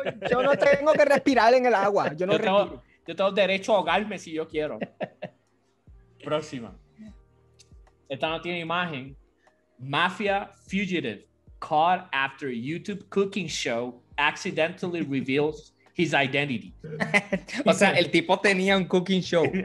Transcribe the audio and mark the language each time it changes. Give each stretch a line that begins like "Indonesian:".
Spanish: Yo no tengo que respirar en el agua. Yo tengo derecho a ahogarme si yo quiero. Próxima. Esta no tiene imagen.
English: Mafia fugitive caught after YouTube cooking show accidentally reveals his identity.
Spanish: O sea, el tipo tenía un cooking show.